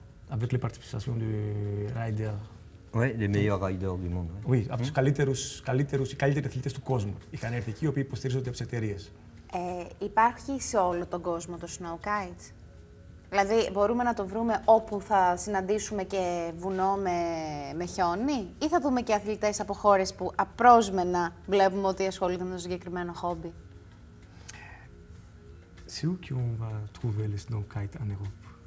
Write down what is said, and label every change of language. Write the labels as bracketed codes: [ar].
[fr] Avec les participations du rider. Oui, les meilleurs riders du monde. [el] Oui, από τους καλύτερους, οι καλύτεροι αθλητές του κόσμου είχαν έρθει εκεί, οι οποίοι υποστηρίζονται από τις εταιρείες. Υπάρχει σε όλο τον κόσμο το Snowkite. Δηλαδή, μπορούμε να το βρούμε όπου θα συναντήσουμε και βουνό με χιόνι, ή θα δούμε και αθλητές από χώρες που απρόσμενα βλέπουμε ότι ασχολούνται με το συγκεκριμένο χόμπι. [fr] Σε où qui on va trouver le snow kite en Europe?